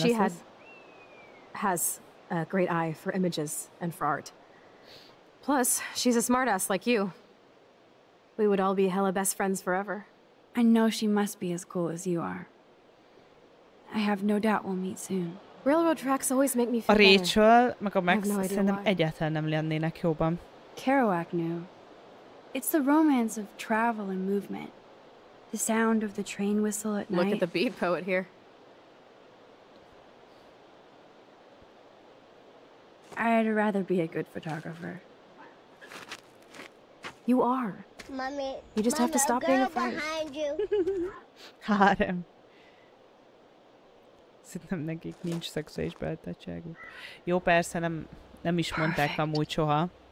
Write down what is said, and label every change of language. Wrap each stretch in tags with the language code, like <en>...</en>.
<en>She has a great eye for images and for art. Plus, she's a smartass like you. We would all be hella best friends forever. I know she must be as cool as you are. I have no doubt we'll meet soon. Railroad tracks always make me feel better.</en> <hu>Rachel, meg a Max, szerintem egyáltalán nem lennének jobban.</hu> <en>Kerouac knew. It's the romance of travel and movement. The sound of the train whistle at night. Look at the beat poet here. I'd rather be a good photographer. You are. Mommy. You just have to stop being afraid. Go behind you. Harem.</en> <hu>Szerintem nekik nincs szexuális beltettségük. Jó, persze, nem is mondták amúgy soha.</hu>